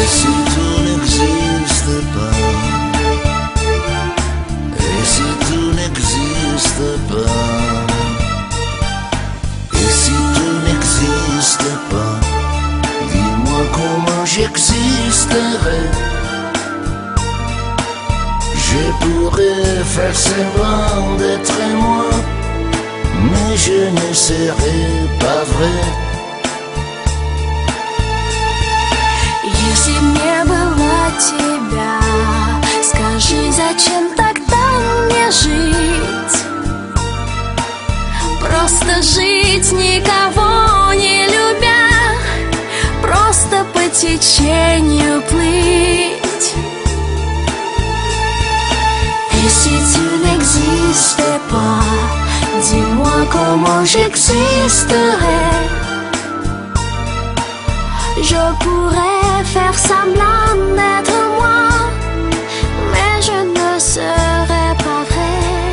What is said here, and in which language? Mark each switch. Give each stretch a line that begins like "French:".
French: Et si tu n'existes pas, et si tu n'existes pas, et si tu n'existes pas, dis-moi comment j'existerai. Je pourrais faire semblant d'être moi, mais je ne serai pas vrai.
Russian: Если б не было тебя, скажи, зачем тогда мне жить? Просто жить, никого не любя, просто по течению плыть.
French: Si tu n'existes pas, dis-moi comment j'existerais. Je pourrais faire semblant d'être moi, mais je ne serais pas vrai.